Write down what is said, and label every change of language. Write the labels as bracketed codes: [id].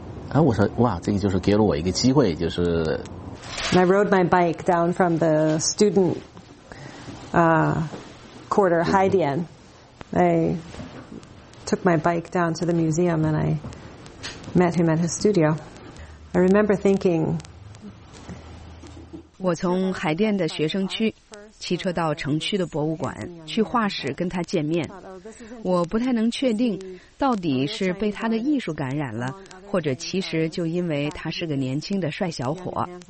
[zh] 然后我说哇，这个就是给了我一个机会，就是。 [en] I rode my bike down from the student quarter Haidian. I took my bike down to the museum and I met him at his studio. I remember thinking. [zh] 我从海淀的学生区骑车到城区的博物馆去画室跟他见面，我不太能确定到底是被他的艺术感染了，或者其实就因为他是个年轻的帅小伙。